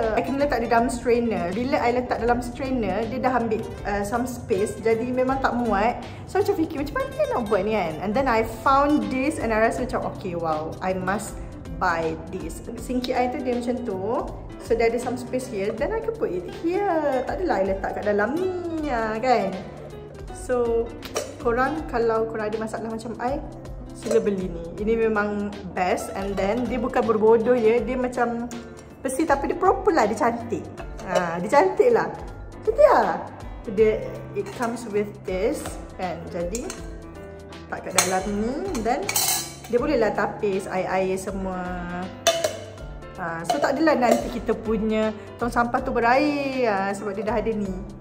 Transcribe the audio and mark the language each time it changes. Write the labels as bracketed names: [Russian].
[Malay] I kena letak dia dalam strainer. Bila I letak dalam strainer, dia dah ambil [English] some space. [Malay] Jadi memang tak muat. So macam fikir macam mana nak buat ni kan. [English] And then I found this and I [Malay] rasa macam [English] okay, wow, I must buy this. [Malay] Sinki I tu dia macam tu. So dia ada [English] some space here, then I can put it here. [Malay] Tak adalah I letak kat dalam ni kan. So korang, kalau korang ada masalah macam I, sila beli ni. Ini memang best. [English] And then [Malay] dia bukan berbodoh ya, dia macam besi tapi dia proper lah, dia cantik. Dia cantik lah. Jadi dia, [English] it comes with this kan. [Malay] Jadi letak kat dalam ni, then dia boleh lah tapis air-air semua. So tak adalah nanti kita punya tong sampah tu berair sebab dia dah ada ni.